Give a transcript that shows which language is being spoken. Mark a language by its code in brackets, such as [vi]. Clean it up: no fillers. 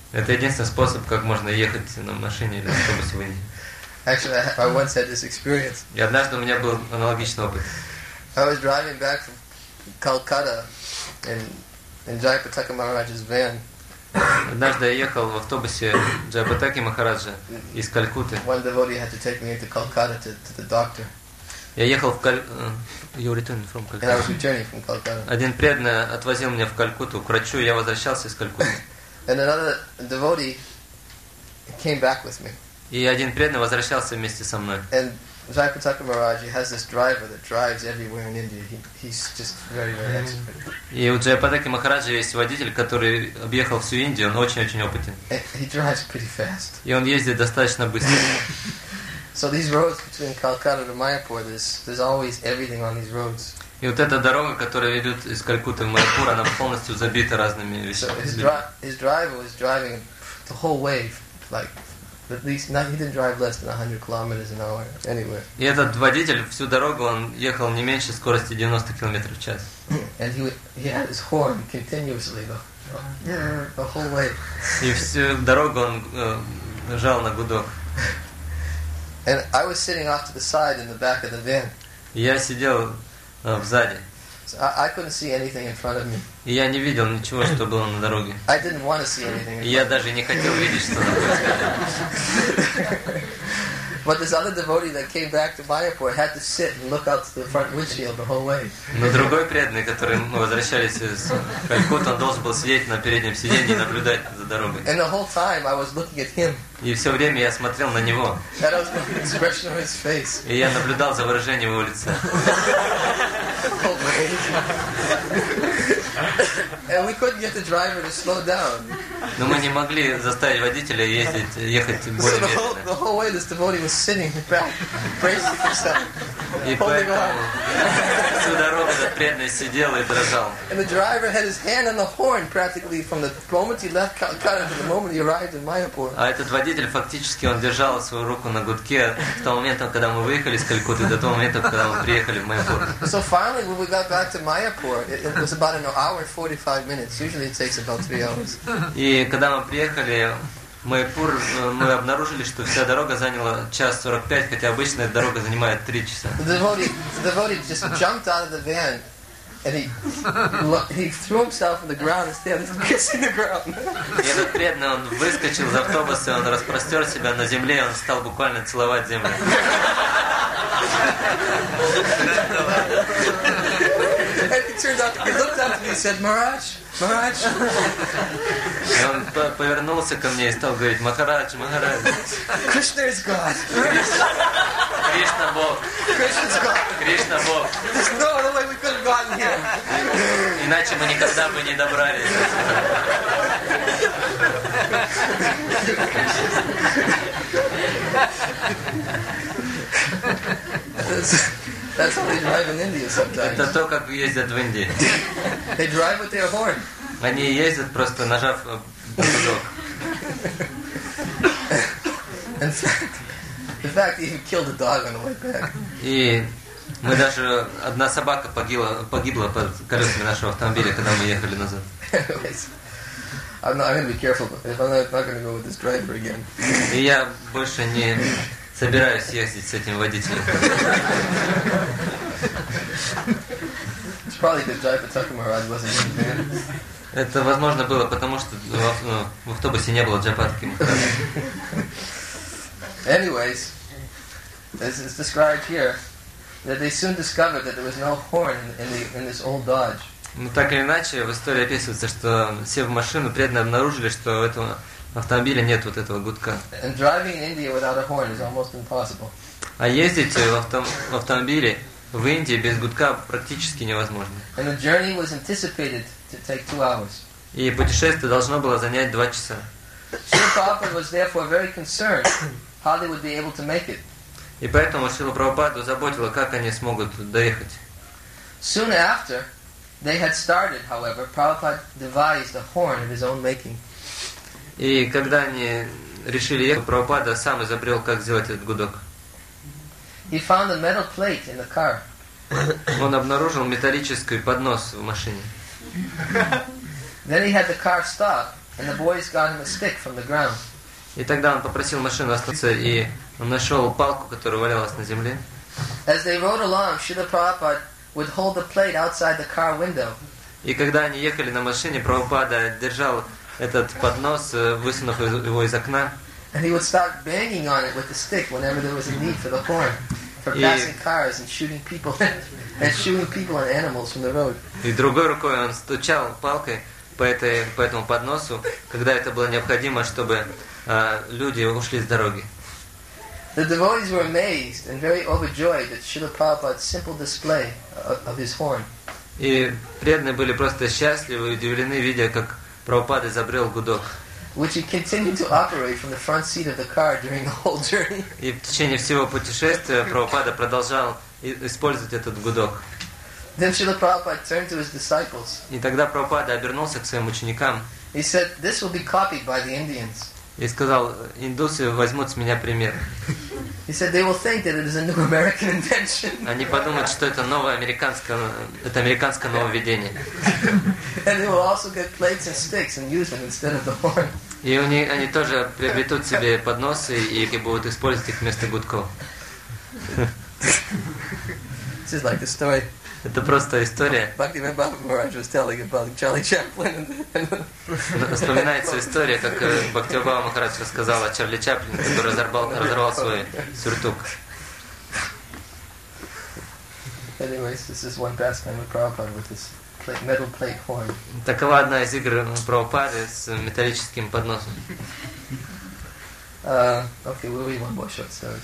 [ru] Это единственный способ, как можно ехать на машине или автобусе в Индии. [en] Actually, I once had this experience. [ru] И однажды у меня был аналогичный опыт. [en] I was driving back from Calcutta in Jayapataka Maharaj's van. [ru] Однажды я ехал в автобусе Джайапатаки Махараджа из Калькутты. [en] One devotee had to take me into Calcutta to the doctor. [ru] Я ехал в [en] you returned from Calcutta. And I was returning from Calcutta. [ru] Один преданный отвозил меня в Калькутту к врачу, я возвращался из Калькутты. [en] And another devotee came back with me. [ru] И один преданный возвращался вместе со мной. [en] And Jayapataka Maharaj has this driver that drives everywhere in India. He's just very, very expert. [ru] И у Джайапатаки Махараджа есть водитель, который объехал всю Индию. Он очень-очень опытен. [en] He drives pretty fast. [ru] И он ездит достаточно быстро. [en] So these roads between Calcutta to Mayapur, there's always everything on these roads. [ru] И вот эта дорога, которая ведет из Калькутты в Майяпур, она полностью забита разными вещами. [en] So his driver was driving the whole way, like. At least not, he didn't drive less than 100 kilometers an hour anywhere. [ru] И этот водитель всю дорогу он ехал не меньше скорости 90 километров в час. [en] And he had his horn continuously the whole way. [ru] И всю дорогу он нажал на гудок. [en] And I was sitting off to the side in the back of the van. [ru] Я сидел сзади. [en] So I couldn't see anything in front of me. [ru] И я не видел ничего, что было на дороге. [en] I didn't want to see anything. [ru] И я даже не хотел видеть, что на дороге. [en] But this other devotee that came back to Mayapur had to sit and look out the front windshield the whole way. [ru] Но другой преданный, который мы возвращались из Калькутты, он должен был сидеть на переднем сиденье и наблюдать за дорогой. [en] And the whole time I was looking at him. [ru] И все время я смотрел на него. [en] That was the expression of his face. [ru] И я наблюдал за выражением его лица. [en] And we couldn't get the driver to slow down. [ru] Но мы не могли заставить водителя ездить, ехать более медленно. [en] So the whole way this devotee was sitting back, bracing himself, holding on. [ru] Всю дорогу этот преданный сидел и дрожал. [en] And the driver had his hand on the horn practically from the moment he left Calcutta to the moment he arrived in Mayapur. [ru] А этот водитель фактически он держал свою руку на гудке с того момента, когда мы выехали из Калькутты, до того момента, когда мы приехали в Майяпур. [en] So finally, when we got back to Mayapur, it was about an hour and 45 minutes. Usually it takes about 3 hours. [ru] И когда мы приехали в Майяпур, мы обнаружили, что вся дорога заняла 1:45, хотя обычно эта дорога занимает 3 часа. [en] The devotee just jumped out of the van and he threw himself on the ground and started kissing the ground. [ru] И этот преданный, он выскочил из автобуса, он распростер себя на земле, он стал буквально целовать землю. [en] And he turned out, he looked up and he said, Maharaj. [ru] И он повернулся ко мне и стал говорить, Махарадж, Махарадж. [en] Кришна is God. [ru] Кришна Бог. [en] Кришна's God. [ru] Кришна Бог. [en] There's no other way we could have gotten here. [ru] Иначе мы никогда бы не добрались. [en] That's how they drive in India sometimes. [ru] Это то, как ездят в Индии. [en] They drive with their horn. [ru] Они ездят просто нажав гудок. [en] In fact, they even killed a dog on the way back. [ru] И мы даже одна собака погибла под колесами нашего автомобиля, когда мы ехали назад. [en] I'm going to be careful, but I'm not going to go with this driver again. [ru] И я больше не собираюсь ездить с этим водителем. [en] It's probably because Jayapataka Maharaj wasn't in the van. [ru] Это возможно было потому, что в автобусе не было Джайапатаки Махараджа. [en] Anyways, as is described here, that they soon discovered that there was no horn in this old Dodge. [ru] Ну, так или иначе, в истории описывается, что все в машину преданно обнаружили, что у этого автомобиля нет вот этого гудка. [en] And driving in India without a horn is almost impossible. [ru] А ездить в автомобиле в Индии без гудка практически невозможно. [en] And the journey was anticipated to take 2 hours. [ru] И путешествие должно было занять 2 часа. [en] Srila Prabhupada was therefore very concerned how they would be able to make it. [ru] И поэтому Шрила Прабхупада заботила, как они смогут доехать. [en] Soon after they had started, however, Prabhupada devised a horn of his own making. [ru] И когда они решили ехать, Прабхупада сам изобрел, как сделать этот гудок. [en] He found a metal plate in the car. [ru] Он обнаружил металлический поднос в машине. [en] Then he had the car stop, and the boys got him a stick from the ground. [ru] И тогда он попросил машину остановиться, и он нашел палку, которая валялась на земле. [en] As they rode along, Srila Prabhupada would hold the plate outside the car window. [ru] И когда они ехали на машине, Прабхупада держал этот поднос, высунув его из окна. [en] And he would start banging on it with the stick whenever there was a need for the horn, for passing cars and shooting people and shooting people and animals from the road. [ru] И другой рукой он стучал палкой по этому подносу, когда это было необходимо, чтобы люди ушли с дороги. [en] The devotees were amazed and very overjoyed at Srila Prabhupada's simple display of his horn. [ru] И преданные были просто счастливы и удивлены, видя, как Прабхупада изобрел гудок. [en] Which he continued to operate from the front seat of the car during the whole journey. [ru] И в течение всего путешествия Прабхупада продолжал использовать этот гудок. [en] Then Srila Prabhupada turned to his disciples. [ru] И тогда Прабхупада обернулся к своим ученикам. [en] He said, "This will be copied by the Indians." [ru] И сказал, индусы возьмут с меня пример. [en] He said, "They will think that it is a new American invention." [ru] Они подумают, что это новое американское, это американское нововведение. [en] And they will also get plates and sticks and use them instead of the horn. [ru] И они тоже приобретут себе подносы и будут использовать их вместо гудков. [en] This is like a story. [ru] Это просто история. [en] Бхактивинода Баба Махарадж was telling about Чарли Чаплин. [ru] Вспоминается история, как Бхактивинода Баба Махарадж рассказал о Чарли Чаплине, который разорвал свой сюртук. [en] Anyways, this is one pastime of Prabhupada with his metal plate horn. [ru] Такова одна из игр Прабхупады с металлическим подносом. [en] Okay, we'll read one more short story.